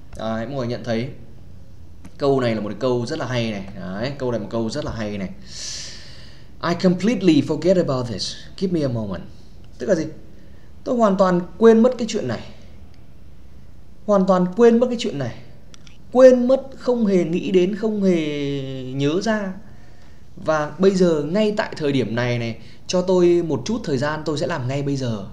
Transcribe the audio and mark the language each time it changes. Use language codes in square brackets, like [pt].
[vi] Mọi người nhận thấy câu này là một câu rất là hay này. Đấy, câu này là một câu rất là hay này. [en] I completely forget about this, give me a moment. [vi] Tức là gì? Tôi hoàn toàn quên mất cái chuyện này. Hoàn toàn quên mất cái chuyện này. Quên mất, không hề nghĩ đến, không hề nhớ ra. Và bây giờ ngay tại thời điểm này này, cho tôi một chút thời gian, tôi sẽ làm ngay bây giờ.